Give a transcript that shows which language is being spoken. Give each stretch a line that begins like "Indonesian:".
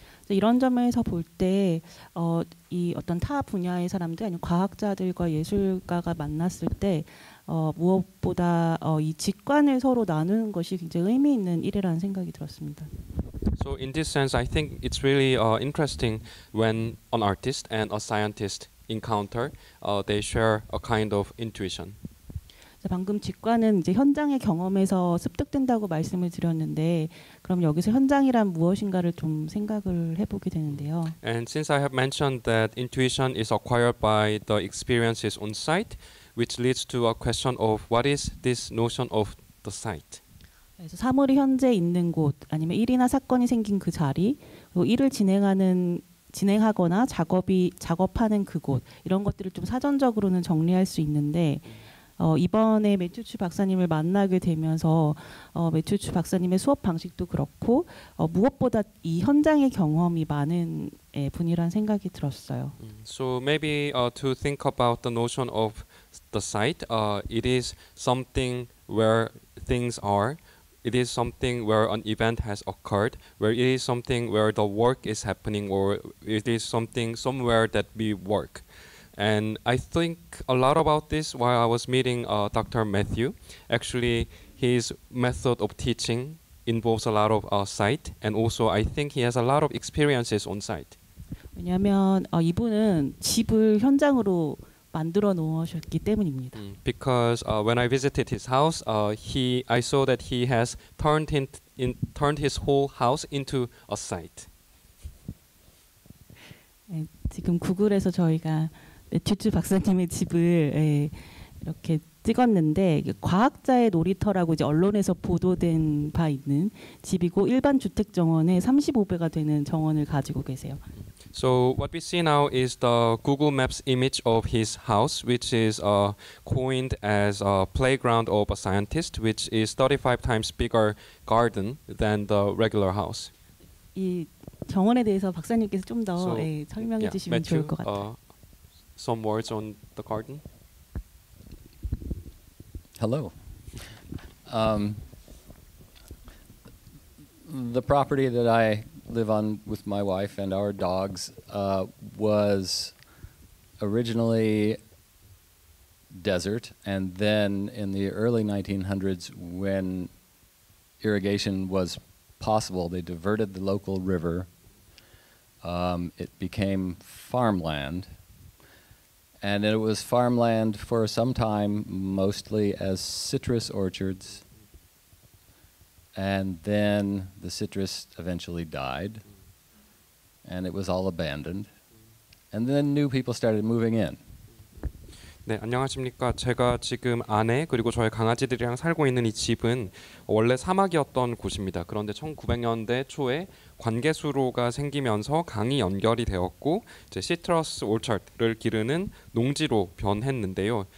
Korean: 이런 점에서 볼 때 이 어떤 타 분야의 사람들 아니면 과학자들과 예술가가 만났을 때 무엇보다 이 직관을 서로 나누는 것이 굉장히 의미 있는 일이라는 생각이 들었습니다.
English: So in this sense, I think it's really interesting when an artist and a scientist encounter, they share a kind of intuition.
Korean: 방금 직관은 이제 현장의 경험에서 습득된다고 말씀을 드렸는데 그럼 여기서 현장이란 무엇인가를 좀 생각을 해보게 되는데요.
English: And since I have mentioned that intuition is acquired by the experiences on site, which leads to a question of what is this notion of the site?
Korean: 그래서 사물이 현재 있는 곳 아니면 일이나 사건이 생긴 그 자리, 일을 진행하거나 작업하는 그곳 이런 것들을 좀 사전적으로는 정리할 수 있는데. 이번에 매튜추 박사님을 만나게 되면서 매튜추 박사님의 수업 방식도 그렇고 무엇보다 이 현장의 경험이 많은 분이란 생각이 들었어요.
English: So maybe to think about the notion of the site, it is something where things are. It is something where an event has occurred. Where it is something where the work is happening, or it is something somewhere that we work. And I think a lot about this while I was meeting Dr. Matthew. Actually, his method of teaching involves a lot of sight, and also I think he has a lot of experiences on sight.
Korean: 왜냐하면 이분은 집을 현장으로 만들어 놓으셨기 때문입니다.
English: Because when I visited his house, I saw that he has turned his whole house into a site.
Korean: 지금 구글에서 저희가 매튜추 박사님의 집을 이렇게 찍었는데 과학자의 놀이터라고 이제 언론에서 보도된 바 있는 집이고 일반 주택 정원의 35배가 되는 정원을 가지고 계세요.
English: So what we see now is the Google Maps image of his house, which is coined as a playground of a scientist, which is 35 times bigger garden than the regular house.
Korean: 이 정원에 대해서 박사님께서 좀 더 설명해 주시면 좋을 것 같아요.
English: Some words on the garden. Hello. The property that I live on with my wife and our dogs was originally desert, and then in the early 1900s, when irrigation was possible, they diverted the local river. It became farmland. And it was farmland for some time, mostly as citrus orchards. And then the citrus eventually died, and it was all abandoned. And then new people started moving in.
Korean: 네, 안녕하십니까. 제가 지금 아내 그리고 저의 강아지들이랑 살고 있는 이 집은 원래 사막이었던 곳입니다. 그런데 1900년대 초에 관개수로가 생기면서 강이 연결이 되었고 이제 시트러스 올차드를 기르는 농지로 변했는데요.